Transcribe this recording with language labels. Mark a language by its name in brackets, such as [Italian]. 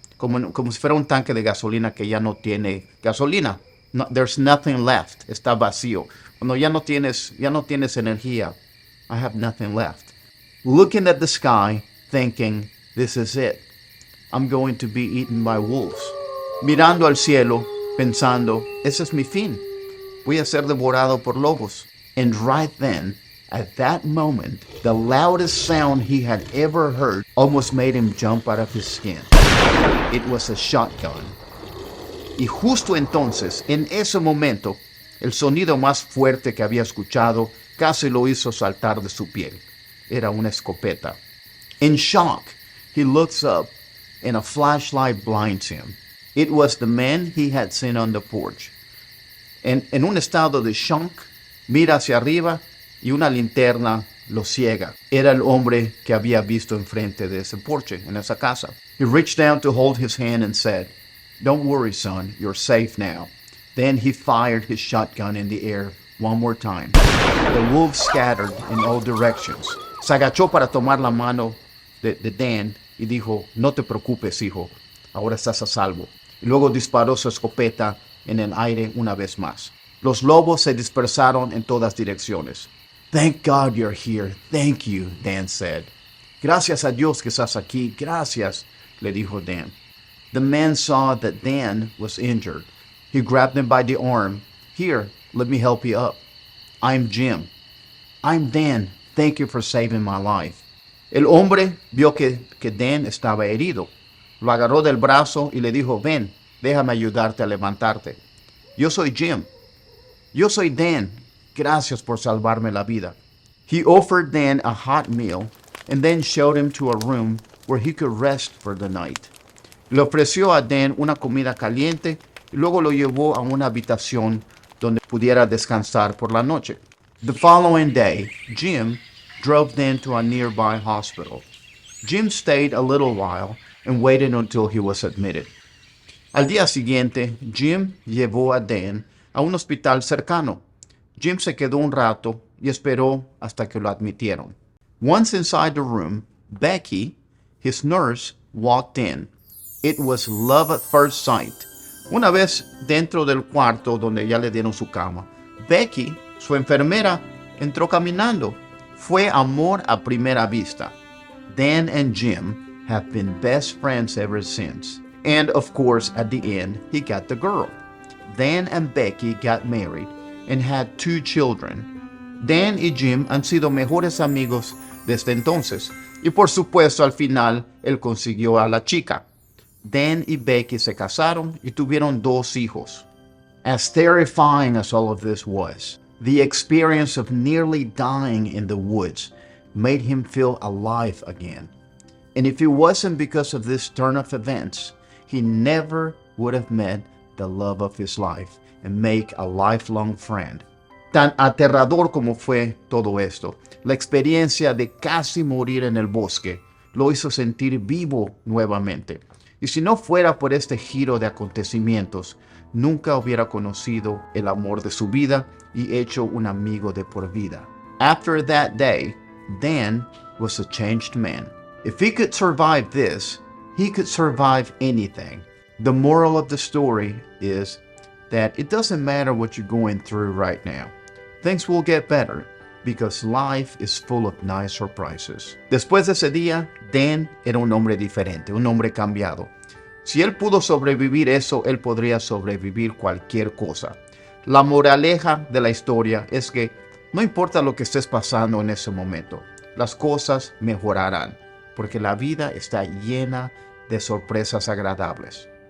[Spanish] como si fuera un tanque de gasolina que ya no tiene gasolina. [English] No, there's nothing left. [Spanish] Está vacío. Cuando ya no tienes energía. [English] I have nothing left. Looking at the sky, thinking, this is it. I'm going to be eaten by wolves. [Spanish] Mirando al cielo, pensando, ese es mi fin. Voy a ser devorado por lobos. [English] And right then, at that moment, the loudest sound he had ever heard almost made him jump out of his skin. It was a shotgun. [Spanish] Y justo entonces, en ese momento, el sonido más fuerte que había escuchado casi lo hizo saltar de su piel. Era una escopeta. [English] In shock, he looks up and a flashlight blinds him. It was the man he had seen on the porch. [Spanish] En un estado de shock, mira hacia arriba y una linterna lo ciega. Era el hombre que había visto enfrente de ese porche, en esa casa. [English] He reached down to hold his hand and said, "Don't worry, son, you're safe now." Then he fired his shotgun in the air one more time. The wolves scattered in all directions. [Spanish] Se agachó para tomar la mano de Dan y dijo, "No te preocupes, hijo, ahora estás a salvo." Y luego disparó su escopeta en el aire una vez más. Los lobos se dispersaron en todas direcciones. [English] "Thank God you're here. Thank you," [Spanish] Dan said. "Gracias a Dios que estás aquí. Gracias," le dijo Dan. [English] The man saw that Dan was injured. He grabbed him by the arm. "Here, let me help you up. I'm Jim." "I'm Dan. Thank you for saving my life." [Spanish] El hombre vio que Dan estaba herido. Lo agarró del brazo y le dijo, "Ven, déjame ayudarte a levantarte." "Yo soy Jim." "Yo soy Dan. Gracias por salvarme la vida." [English] He offered Dan a hot meal and then showed him to a room where he could rest for the night. [Spanish] Le ofreció a Dan una comida caliente y luego lo llevó a una habitación donde pudiera descansar por la noche. [English] The following day, Jim drove Dan to a nearby hospital. Jim stayed a little while and waited until he was admitted. [Spanish] Al día siguiente, Jim llevó a Dan a un hospital cercano. Jim se quedó un rato y esperó hasta que lo admitieron. [English] Once inside the room, Becky, his nurse, walked in. It was love at first sight. [Spanish] Una vez dentro del cuarto donde ya le dieron su cama, Becky, su enfermera, entró caminando. Fue amor a primera vista. [English] Dan and Jim have been best friends ever since. And of course, at the end, he got the girl. Dan and Becky got married and had two children. [Spanish] Dan y Jim han sido mejores amigos desde entonces. Y por supuesto, al final, él consiguió a la chica. Dan y Becky se casaron y tuvieron dos hijos. [English] As terrifying as all of this was, the experience of nearly dying in the woods made him feel alive again. And if it wasn't because of this turn of events, he never would have met the love of his life and make a lifelong friend. [Spanish] Tan aterrador como fue todo esto, la experiencia de casi morir en el bosque lo hizo sentir vivo nuevamente. Y si no fuera por este giro de acontecimientos, nunca hubiera conocido el amor de su vida y hecho un amigo de por vida. [English] After that day, Dan was a changed man. If he could survive this, he could survive anything. The moral of the story is that it doesn't matter what you're going through right now. Things will get better because life is full of nice surprises. [Spanish] Después de ese día, Dan era un hombre diferente, un hombre cambiado. Si él pudo sobrevivir eso, él podría sobrevivir cualquier cosa. La moraleja de la historia es que no importa lo que estés pasando en ese momento, las cosas mejorarán, porque la vida está llena de sorpresas agradables.